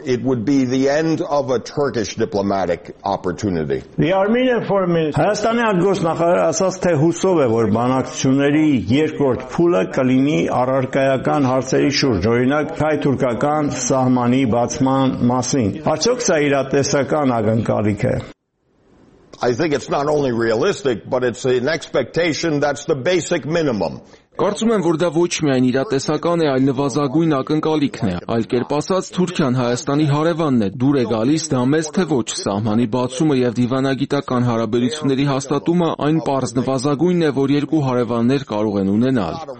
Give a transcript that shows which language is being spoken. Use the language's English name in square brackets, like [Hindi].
[English] It would be the end of a Turkish diplomatic opportunity. The Armenian foreign minister [Armenian] Հայաստանի արգոս նախարար ասաց, թե հուսով է, որ բանակցությունների երկրորդ փուլը կլինի առարկայական հարցերի շուրջ, օրինակ թուրքական սահմանի բացման մասին։ Արդյոք սա իրատեսական ակնկալիք է։ [English] I think it's not only realistic, but it's an expectation that's the basic minimum. [Armenian] Կարծում եմ, որ դա ոչ միայն իրատեսական է, այլ նվազագույն ակնկալիքն է։ Այլ կերպ ասած, Թուրքիան Հայաստանի հարևանն է, դուր է գալիս դա մեզ, թե ոչ սահմանի բացումը եւ դիվանագիտական հարաբերությունների հաստատումը այն պարզ նվազագույնն է, որ երկու հարևաններ կարող են ունենալ։